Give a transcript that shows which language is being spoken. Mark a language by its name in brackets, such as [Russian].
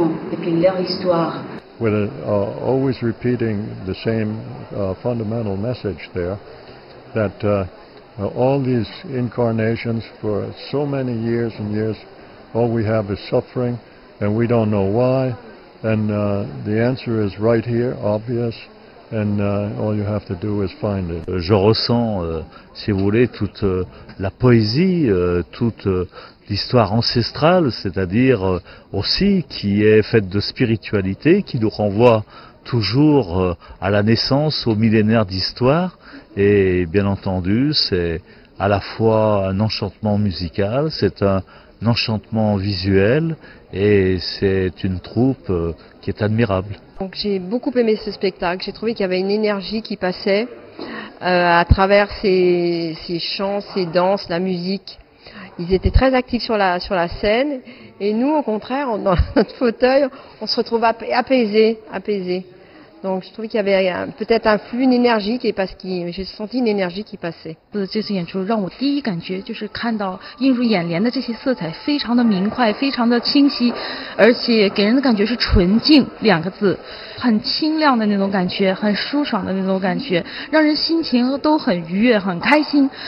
[English] With always repeating the same fundamental message there, that all these incarnations for so many years and years, all we have is suffering, and we don't know why, and the answer is right here, obvious, and all you have to do is find it. [French] Je ressens, si vous voulez, toute la poésie, toute l'histoire ancestrale, c'est-à-dire aussi qui est faite de spiritualité, qui nous renvoie toujours à la naissance, au millénaire d'histoire. Et bien entendu, c'est à la fois un enchantement musical, c'est un enchantement visuel et c'est une troupe qui est admirable. Donc j'ai beaucoup aimé ce spectacle, j'ai trouvé qu'il y avait une énergie qui passait à travers ces chants, ces danses, la musique. Ils étaient très actifs sur la scène et nous, au contraire, dans notre fauteuil, on se retrouve apaisés. Donc je trouvais qu'il y avait peut-être un flux, une énergie qui est parce que j'ai senti une énergie qui passait. [Chinese] 这次演出让我第一感觉就是看到映入眼帘的这些色彩非常的明快，非常的清晰，而且给人的感觉是纯净两个字，很清亮的那种感觉，很舒爽的那种感觉，让人心情都很愉悦，很开心。